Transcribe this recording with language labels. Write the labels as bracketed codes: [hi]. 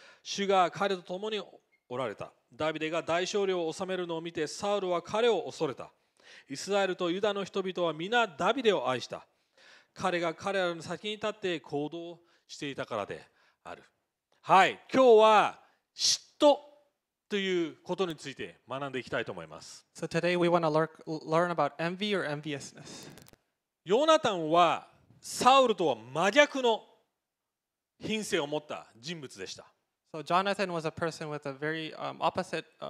[ja] 主が彼と共におられた。ダビデが大勝利を収めるのを見て、サウルは彼を恐れた。イスラエルとユダの人々は皆ダビデを愛した。彼が彼らの先に立って行動していたからである。はい、今日は嫉妬ということについて学んでいきたいと思います。 [en] So today we want to learn about envy or enviousness. [ja] ヨナタンはサウルとは真逆の品性を持った人物でした。 [en] So Jonathan was a person with a very opposite